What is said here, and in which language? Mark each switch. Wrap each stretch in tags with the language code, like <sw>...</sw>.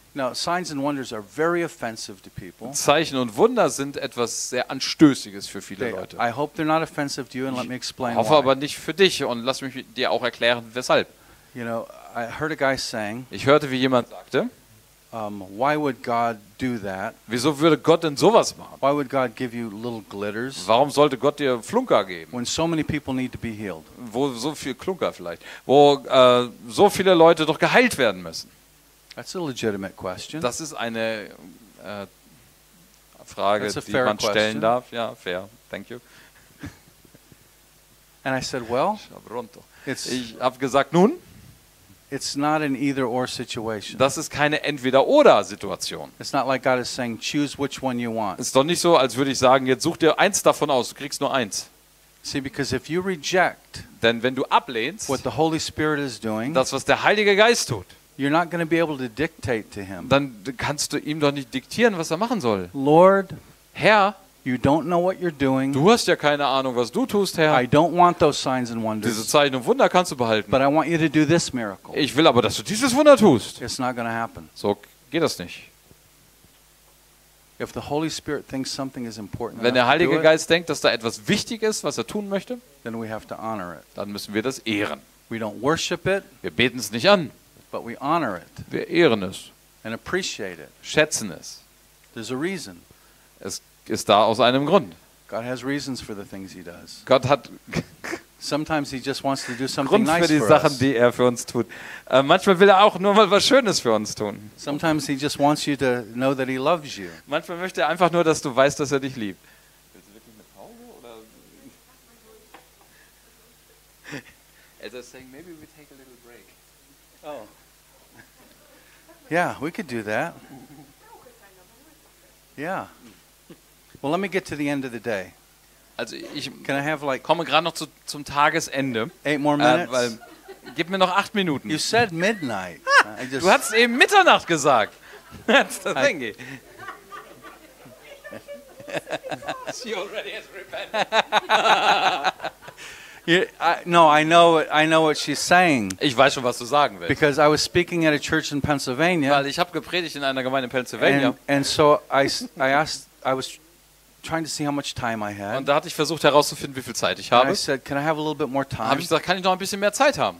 <en>Now, signs and wonders are very offensive to people.</en> <de>Zeichen und Wunder sind etwas sehr Anstößiges für viele Leute.</de> <en>I hope they're not offensive to you and let me explain why.</en> <de>Hoffe aber nicht für dich und lass mich dir auch erklären, weshalb.</de> <en>You know, I heard a guy saying,</en> <de>ich hörte, wie jemand sagte,</de> <en>why would God do that?</en> <de>Wieso würde Gott denn sowas machen?</de> <en>Why would God give you little glitters?</en> <de>Warum sollte Gott dir Flunker geben?</de> <en>When so many people need to be healed.</en> <de>Wo so viel Klunker vielleicht, wo so viele Leute doch geheilt werden müssen.</de> <en>That's a legitimate question.</en> <de>Das ist eine Frage, die man</de> <en>question.</en> <de>Stellen darf. Ja, fair.</de> <en>Thank you. And I said, well,</en> <de>ich habe gesagt, nun,</de> <en>It's not an either or situation.</en> <de>Das ist keine entweder oder Situation.</de> <en>It's not like God is saying choose which one you want.</en> <de>Es ist doch nicht so, als würde ich sagen, jetzt such dir eins davon aus, du kriegst nur eins.</de> <en>See, because if you reject,</en> <de>denn wenn du ablehnst,</de> <en>what the Holy Spirit is doing,</en> <de>das was der Heilige Geist tut,</de> <en>you're not going to be able to dictate to him.</en> <de>Dann kannst du ihm doch nicht diktieren, was er machen soll.</de> <en>Lord,</en> <de>Herr,</de> <en>you don't know what you're doing.</en> <de>Du hast ja keine Ahnung, was du tust, Herr.</de> <en>I don't want those signs and wonders.</en> <de>Diese Zeichen und Wunder kannst du behalten.</de> <en>But I want you to do this miracle.</en> <de>Ich will aber, dass du dieses Wunder tust.</de> <en>It's not going to happen.</en> <de>So geht das nicht.</de> <en>If the Holy Spirit thinks something is important,</en> <de>wenn der Heilige Geist denkt, dass da etwas wichtig ist, was er tun möchte,</de> <en>then we have to honor it.</en> <de>Dann müssen wir das ehren.</de> <en>We don't worship it.</en> <de>Wir beten es nicht an.</de> <en>But we honor it.</en> <de>Wir ehren es.</de> <en>And appreciate it.</en> <de>Schätzen es.</de> <en>There's a reason.</en> <de>Es ist da aus einem Grund.</de> <en>God has reasons for the things he does.</en> <de>Gott hat</de> <en>sometimes he just wants to do something nice for us.</en> <de>Grund für die Sachen, die er für uns tut. Manchmal will er auch nur mal was Schönes für uns tun.</de> <en>Sometimes he just wants you to know that he loves you.</en> <de>Manchmal möchte er einfach nur, dass du weißt, dass er dich liebt. Willst du wirklich eine Pause oder?</de> <en>As I was saying, maybe we take a little break. Oh. Yeah, we could do that. Yeah. Well, let me get to the end of the day.</en> <de>Also ich komme gerade noch zum Tagesende.</de> <en>Eight more minutes.</en> <de>Weil, gib mir noch 8 Minuten.</de> <en>You said midnight.</en> <de>Du hast eben Mitternacht gesagt.</de> <en>That's the thing. She already has repented. I know what she's saying.</en> <de>Ich weiß schon, was du sagen willst.</de> <en>Because I was speaking at a church in Pennsylvania.</en> <de>Weil ich habe gepredigt in einer Gemeinde in Pennsylvania.</de> <en>And so I was trying to see how much time I had.</en> <de>Und da hatte ich versucht herauszufinden, wie viel Zeit ich habe.</de> <en>And I said, can I have a little bit more time?</en> <de>Habe ich gesagt, kann ich noch ein bisschen mehr Zeit haben?</de>